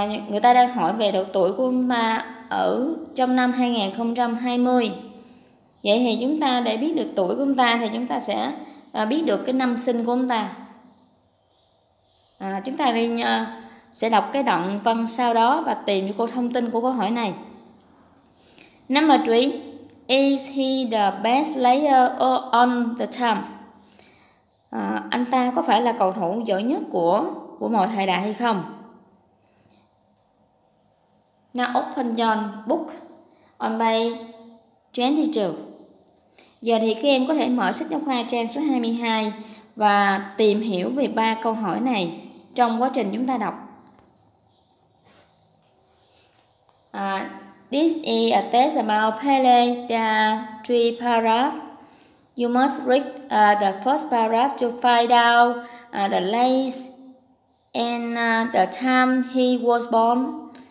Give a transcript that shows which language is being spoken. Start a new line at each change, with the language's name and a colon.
Vietnamese: Người ta đang hỏi về độ tuổi của ông bà ở trong năm 2020. Vậy thì chúng ta để biết được tuổi của ông ta thì chúng ta sẽ biết được cái năm sinh của ông ta. Chúng ta đi sẽ đọc cái đoạn văn sau đó và tìm cho cô thông tin của câu hỏi này.
English: Number 3. Is he the best player on the team?
Vietnamese: Anh ta có phải là cầu thủ giỏi nhất của mọi thời đại hay không?
English: Now open your book on page 22.
Vietnamese: Giờ thì các em có thể mở sách giáo khoa trang số 22 và tìm hiểu về ba câu hỏi này trong quá trình chúng ta đọc.
English: This is a test about Pele the three paragraph. You must read the first paragraph to find out the place and the time he was born.